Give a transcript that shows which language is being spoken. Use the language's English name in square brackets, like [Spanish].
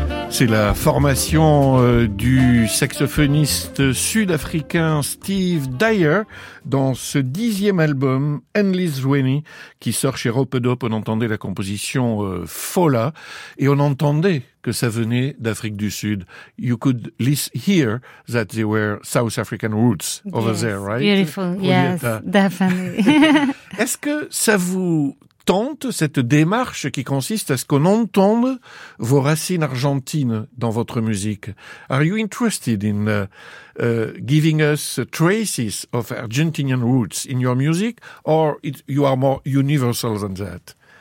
[French] c'est la formation du saxophoniste sud-africain Steve Dyer dans ce 10e album Endless Journey qui sort chez Ropedop. On entendait la composition Fola et on entendait que ça venait d'Afrique du Sud. [English] You could hear that they were South African roots over yes, there, right? Beautiful, yes, definitely. [French] Est-ce que ça vous tente cette démarche qui consiste à ce qu'on entende vos racines argentines dans votre musique? [English] Are you interested in giving us traces of Argentinian roots in your music, or you are more universal than that?